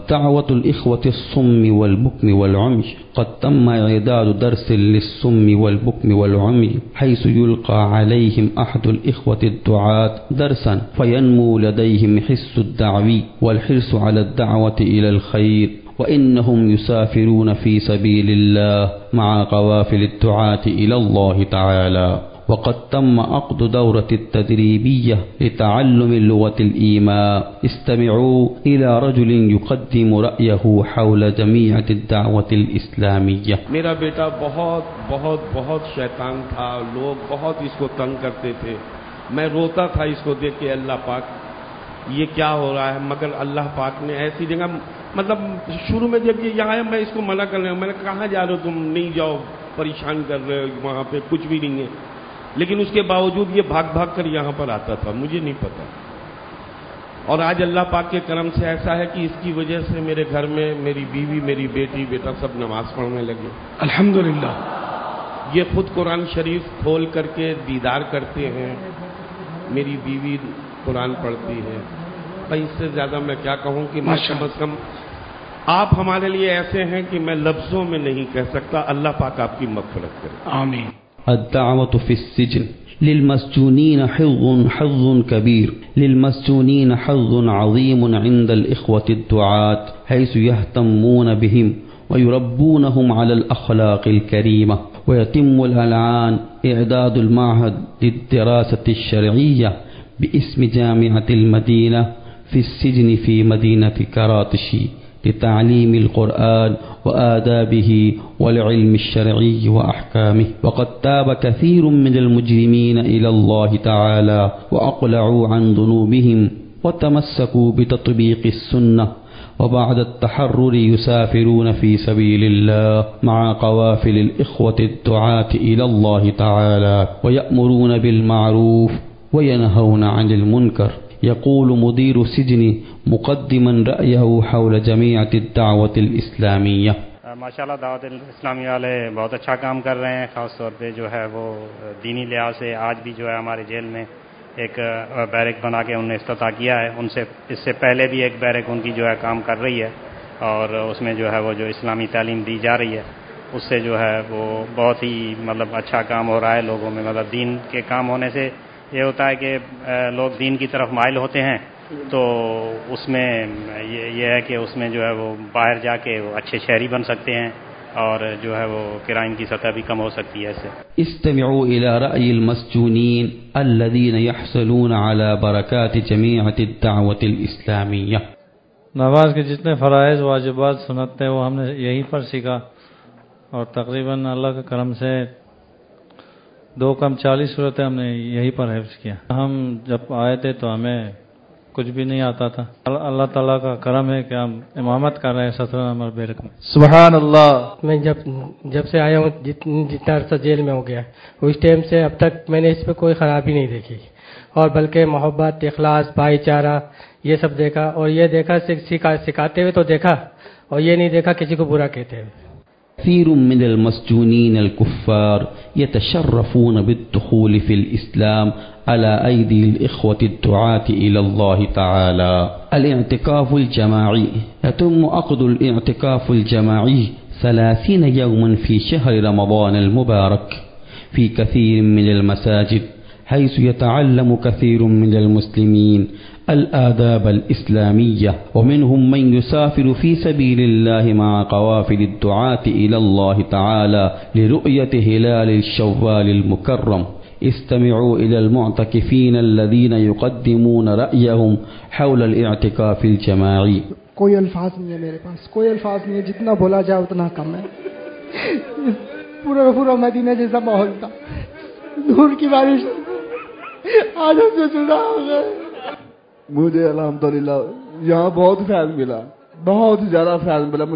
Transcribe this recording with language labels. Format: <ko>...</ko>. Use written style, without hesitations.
<ar>دعوة الإخوة الصم والبكم والعمي. قد تم إعداد درس للصم والبكم والعمي حيث يلقى عليهم أحد الإخوة الدعاة درسا فينمو لديهم حس الدعوي والحرص على الدعوة إلى الخير، وإنهم يسافرون في سبيل الله مع قوافل الدعاة إلى الله تعالى. وقد تم عقد دورة التدريبية لتعلم اللغة الإيماء. استمعوا إلى رجل يقدم رأيه حول جميع الدعوة الإسلامية.</ar> <ur>میرا بیٹا بہت بہت بہت شیطان تھا، لوگ بہت اس کو تنگ کرتے تھے، میں روتا تھا اس کو دیکھ کے، اللہ پاک یہ کیا ہو رہا ہے، مگر اللہ پاک نے ایسی جگہ، مطلب شروع میں جب یہ آیا میں اس کو منع کر رہا ہوں، میں نے کہاں جا رہے ہو تم، نہیں جاؤ، پریشان کر رہے ہو، وہاں پہ کچھ بھی نہیں ہے، لیکن اس کے باوجود یہ بھاگ بھاگ کر یہاں پر آتا تھا، مجھے نہیں پتا. اور آج اللہ پاک کے کرم سے ایسا ہے کہ اس کی وجہ سے میرے گھر میں میری بیوی، میری بیٹی، بیٹا سب نماز پڑھنے لگے، الحمدللہ. یہ خود قرآن شریف کھول کر کے دیدار کرتے ہیں، میری بیوی قرآن پڑھتی ہے، بھائی اس سے زیادہ میں کیا کہوں کہ میں کم از کم آپ ہمارے لیے ایسے ہیں کہ میں لفظوں میں نہیں کہہ سکتا. اللہ پاک آپ کی مغفرت کرے. آمین.</ur> <ar>الدعوة في السجن للمسجونين حظ حظ كبير للمسجونين حظ عظيم عند الإخوة الدعاة حيث يهتمون بهم ويربونهم على الأخلاق الكريمة ويتم الآن إعداد المعهد للدراسة الشرعية باسم جامعة المدينة في السجن في مدينة كراتشي لتعليم القرآن وآدابه والعلم الشرعي وأحكامه. وقد تاب كثير من المجرمين إلى الله تعالى وأقلعوا عن ذنوبهم وتمسكوا بتطبيق السنة وبعد التحرر يسافرون في سبيل الله مع قوافل الإخوة الدعاة إلى الله تعالى ويأمرون بالمعروف وينهون عن المنكر. يقول مدير سجن مقدما رأيه حول جميع الدعوة الإسلامية.</ar> <ur>ما شاء الله دعوت الإسلامية والے بہت اچھا کام کر رہے ہیں, خاص طور پہ جو ہے وہ دینی لحاظ سے. آج بھی جو ہے ہمارے جیل میں ایک بیرک بنا کے انہوں نے استعفیٰ کیا ہے, ان سے اس سے پہلے بھی ایک بیرک ان کی جو ہے کام کر رہی ہے, اور اس میں جو ہے وہ جو اسلامی تعلیم دی جا رہی ہے اس سے جو ہے وہ بہت ہی مطلب اچھا کام ہو رہا ہے لوگوں میں. مطلب دین کے کام ہونے سے یہ ہوتا ہے کہ لوگ دین کی طرف مائل ہوتے ہیں, تو اس میں یہ ہے کہ اس میں جو ہے وہ باہر جا کے وہ اچھے شہری بن سکتے ہیں, اور جو ہے وہ کرائم کی سطح بھی کم ہو سکتی ہے اس سے.</ur> <ar>استمعوا الى رأي المسجونين الذين يحصلون على بركات جميعة الدعوة الإسلامية.</ar> <ur>نماز کے جتنے فرائض واجبات سنت ہیں وہ ہم نے یہی پر سیکھا, اور تقریباً اللہ کے کرم سے 2 کم 40 صورتیں ہم نے یہی پر حفظ کیا. ہم جب آئے تھے تو ہمیں کچھ بھی نہیں آتا تھا, اللہ تعالیٰ کا کرم ہے کہ ہم امامت کر رہے ہیں 17 نمبر بیرک میں. سبحان اللہ. میں جب سے آیا ہوں جتنا عرصہ جیل میں ہو گیا, اس ٹائم سے اب تک میں نے اس پہ کوئی خرابی نہیں دیکھی, اور بلکہ محبت, اخلاص, بھائی چارہ یہ سب دیکھا, اور یہ دیکھا سکھاتے ہوئے تو دیکھا, اور یہ نہیں دیکھا کسی کو برا کہتے ہوئے.</ur> <ar>كثير من المسجونين الكفار يتشرفون بالدخول في الإسلام على أيدي الإخوة الدعاة إلى الله تعالى. الاعتكاف الجماعي, يتم عقد الاعتكاف الجماعي 30 يوما في شهر رمضان المبارك في كثير من المساجد, حيث يتعلم كثير من المسلمين الآداب الإسلامية, ومنهم من يسافر في سبيل الله مع قوافل الدعاة إلى الله تعالى لرؤية هلال الشوال المكرم. استمعوا إلى المعتكفين الذين يقدمون رأيهم حول الاعتكاف الجماعي.</ar> <ur>کوئی الفاظ نہیں ہے میرے پاس, کوئی الفاظ نہیں ہے, جتنا بولا جائے اتنا کم ہے. پورا مدینہ جیسا ماحول تھا, نور کی بارش آدم سے جدا ہو گئے. مجھے الحمدللہ یہاں بہت فیض ملا, بہت زیادہ فیض ملا.</ur>